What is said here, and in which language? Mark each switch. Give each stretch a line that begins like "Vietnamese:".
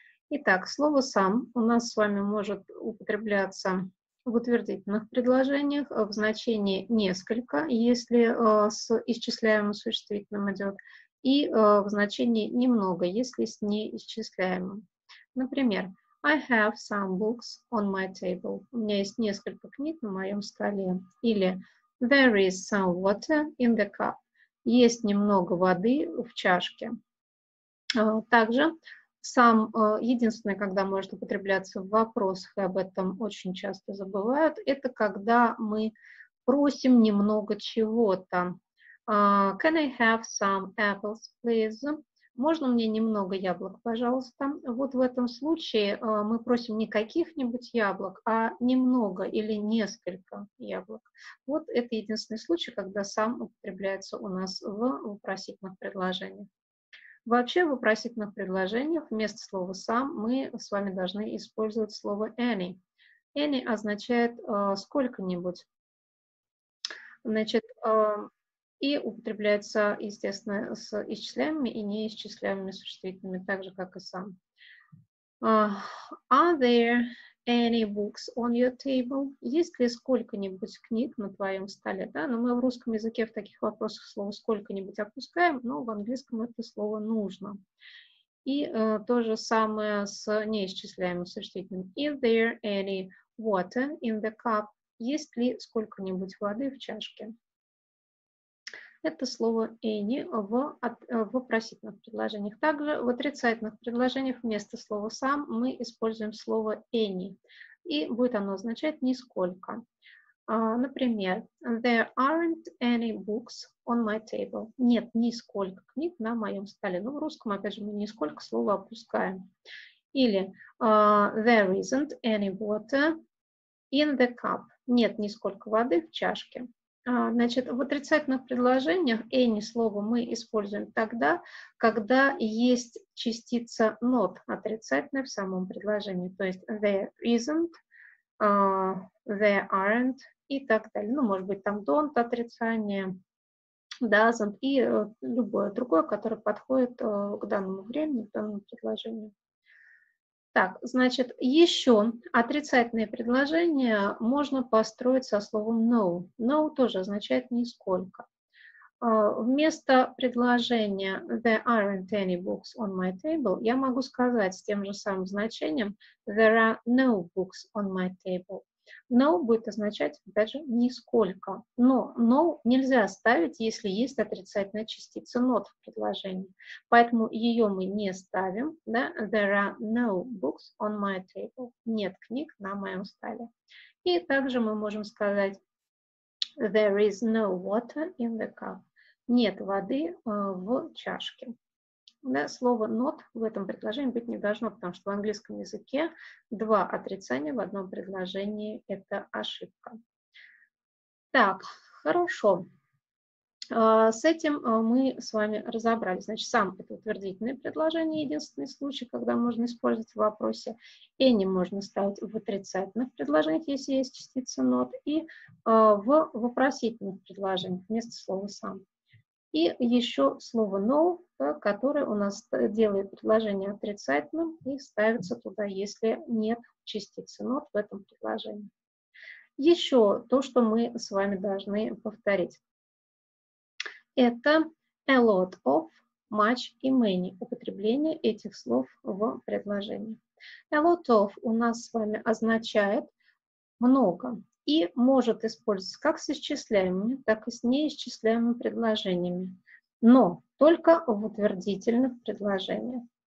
Russian: Итак, слово some у нас с вами может употребляться в утвердительных предложениях в значении несколько, если с исчисляемым существительным идет. И в значении немного, если с неисчисляемым. Например,
English: I have some books on my table.
Russian: У меня есть несколько книг на моем столе. Или
English: there is some water in the cup.
Russian: Есть немного воды в чашке. Также some, единственное, когда может употребляться в вопросах, и об этом очень часто забывают, это когда мы просим немного чего-то.
English: Can I have some apples, please?
Russian: Можно мне немного яблок, пожалуйста? Вот в этом случае мы просим не каких-нибудь яблок, а немного или несколько яблок. Вот это единственный случай, когда some употребляется у нас в вопросительных предложениях. Вообще в вопросительных предложениях вместо слова some мы с вами должны использовать слово any. Any означает сколько-нибудь. Значит, и употребляется, естественно, с исчисляемыми и неисчисляемыми существительными, так же, как и сам.
English: Are there any books on your table?
Russian: Есть ли сколько-нибудь книг на твоем столе? Да, но мы в русском языке в таких вопросах слово «сколько-нибудь» опускаем, но в английском это слово нужно. И то же самое с неисчисляемыми существительными.
English: Is there any water in the cup?
Russian: Есть ли сколько-нибудь воды в чашке? Это слово any в вопросительных предложениях. Также в отрицательных предложениях вместо слова some мы используем слово any. И будет оно означать нисколько. Например,
English: there aren't any books on my table.
Russian: Нет нисколько книг на моем столе. Ну, в русском, опять же, мы нисколько слова опускаем. Или
English: there isn't any water in the cup.
Russian: Нет нисколько воды в чашке. Значит, в отрицательных предложениях any слово мы используем тогда, когда есть частица not отрицательная в самом предложении. То есть
English: there isn't, there aren't
Russian: и так далее. Ну, может быть, там don't отрицание, doesn't и любое другое, которое подходит к данному времени, к данному предложению. Так, значит, еще отрицательные предложения можно построить со словом no. No тоже означает нисколько. Вместо предложения
English: there aren't any books on my table
Russian: я могу сказать с тем же самым значением
English: there are no books on my table.
Russian: No будет означать, опять же, нисколько. Но no нельзя ставить, если есть отрицательная частица not в предложении. Поэтому ее мы не ставим. Да?
English: There are no books on my table.
Russian: Нет книг на моем столе. И также мы можем сказать
English: there is no water in the cup.
Russian: Нет воды в чашке. Да, слово not в этом предложении быть не должно, потому что в английском языке два отрицания в одном предложении – это ошибка. Так, хорошо. С этим мы с вами разобрались. Значит, сам это утвердительное предложение – единственный случай, когда можно использовать в вопросе. Any можно ставить в отрицательных предложениях, если есть частица not, и в вопросительных предложениях вместо слова сам. И еще слово no, которое у нас делает предложение отрицательным и ставится туда, если нет частицы not в этом предложении. Еще то, что мы с вами должны повторить. Это a lot of, much и many. Употребление этих слов в предложении. A lot of у нас с вами означает много. И может использоваться как с исчисляемыми, так и с неисчисляемыми предложениями. Но только в утвердительных предложениях.